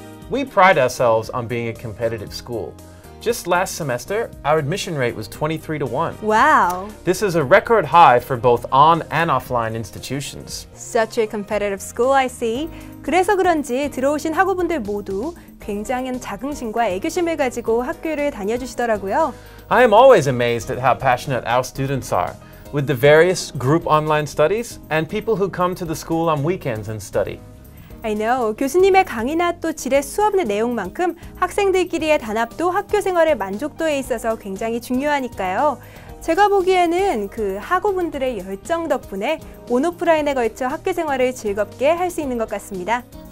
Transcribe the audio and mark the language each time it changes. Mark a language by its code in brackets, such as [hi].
[en] We pride ourselves on being a competitive school. Just last semester, our admission rate was 23-1. Wow! This is a record high for both on and offline institutions. Such a competitive school, I see. [ko] 그래서 그런지 들어오신 학우분들 모두 굉장한 자긍심과 애교심을 가지고 학교를 다녀주시더라고요. [en] I am always amazed at how passionate our students are with the various group online studies and people who come to the school on weekends and study. I know. [ko] 교수님의 강의나 또 질의 수업의 내용만큼 학생들끼리의 단합도 학교 생활의 만족도에 있어서 굉장히 중요하니까요. 제가 보기에는 그 학우분들의 열정 덕분에 온오프라인에 걸쳐 학교 생활을 즐겁게 할 수 있는 것 같습니다.